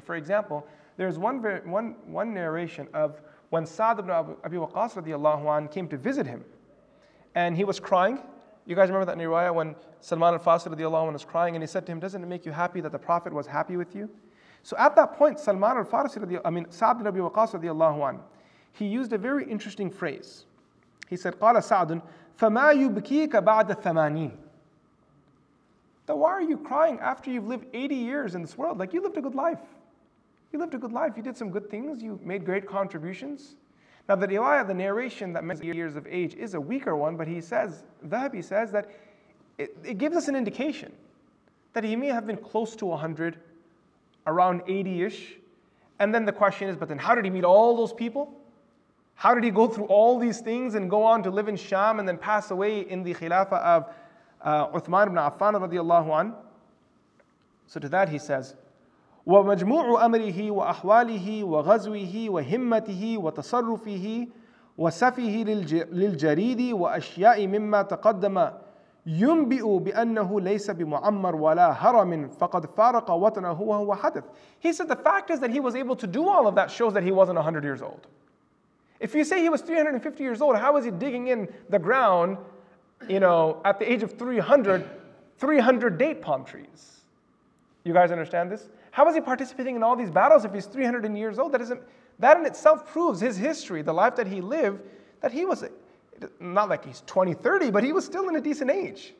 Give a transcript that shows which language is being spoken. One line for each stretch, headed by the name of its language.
English: For example, there is one narration of when Sa'd ibn Abi Waqqas radiallahu anhu came to visit him and he was crying. You guys remember that narration when Salman al-Farsi radiallahu anhu was crying and he said to him, doesn't it make you happy that the Prophet was happy with you? So at that point, Salman al-Farsi, Sa'd ibn Abi Waqqas radiallahu anhu, he used a very interesting phrase.
Arabic: He said, قَالَ سَعْدٌ فَمَا يُبْكِيكَ بَعْدَ الثَّمَانِينَ.
English: Why are you crying after you've lived 80 years in this world? Like, you lived a good life. You lived a good life. You did some good things. You made great contributions. Now, the riwayah, the narration that mentions years of age is a weaker one, but he says, Dhahabi says that it gives us an indication that he may have been close to 100, around 80-ish. And then the question is, but then how did he meet all those people? How did he go through all these things and go on to live in Sham and then pass away in the Khilafah of Uthman ibn Affan radiallahu anhu?
Arabic: So to that he says, وَمَجْمُوعُ أَمْرِهِ وَأَحْوَالِهِ وَغَزْوِهِ وَهِمَّتِهِ وَتَصَرُّفِهِ وَسَفِهِ لِلْجَرِيدِ وَأَشْيَاءِ مِمَّا تَقَدَّمَ يُنْبِئُ بِأَنَّهُ لَيْسَ بِمُعَمَّرْ وَلَا هَرَمٍ فَقَدْ فَارَقَ وَطَنَهُ وَهُوَ حَدَثٍ.
English: He said the fact is that he was able to do all of that shows that he wasn't 100 years old. If you say he was 350 years old, how is he digging in the ground, you know, at the age of 300 date palm trees? You guys understand this? How is he participating in all these battles if he's 300 years old? That in itself proves his history, the life that he lived, that he was, not like he's 20, 30, but he was still in a decent age.